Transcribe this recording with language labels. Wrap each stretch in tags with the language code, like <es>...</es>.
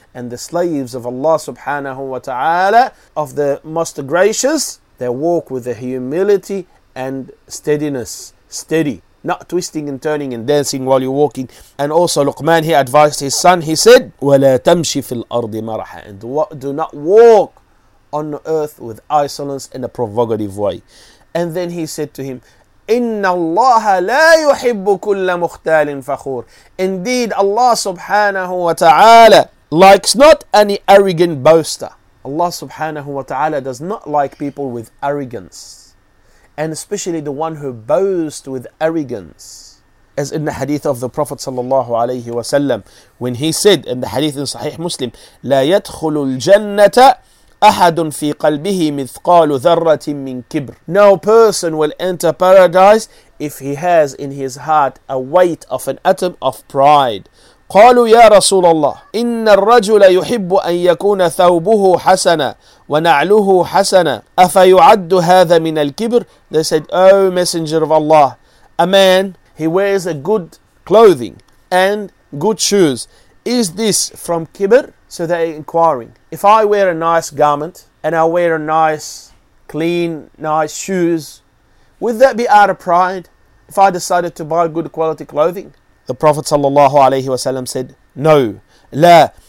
<en>And the slaves of Allah subhanahu wa ta'ala, of the Most Gracious, they walk with the humility and steadiness, steady, not twisting and turning and dancing while you're walking. And also Luqman, he advised his son, he said,</en> <ar>وَلَا تَمْشِ فِي الْأَرْضِ مَرَحًا.</ar> <en>And do not walk on earth with insolence in a provocative way. And then he said to him,</en> <ar>إِنَّ اللَّهَ لَا يُحِبُّ كُلَّ مُخْتَالٍ فَخُورٍ.</ar> <en>Indeed, Allah subhanahu wa ta'ala likes not any arrogant boaster. Allah subhanahu wa ta'ala does not like people with arrogance. And especially the one who boasts with arrogance. As in the hadith of the Prophet sallallahu alayhi wa sallam, when he said in the hadith in Sahih Muslim,</en> <ar>لا يدخل الجنة أحد في قلبه مثقال ذرة من كبر.</ar> <en>No person will enter paradise if he has in his heart a weight of an atom of pride.</en> <ar>قالوا يا رسول الله إن الرجل يحب أن يكون ثوبه حسنا ونعله حسنا أفيعد هذا من الكبر.</ar> <en>They said, oh messenger of Allah, a man, he wears a good clothing and good shoes, is this from kibr? So they are inquiring, if I wear a nice garment and I wear a nice clean nice shoes, would that be out of pride if I decided to buy good quality clothing? The Prophet sallallahu alayhi wa sallam said, no, la,</en>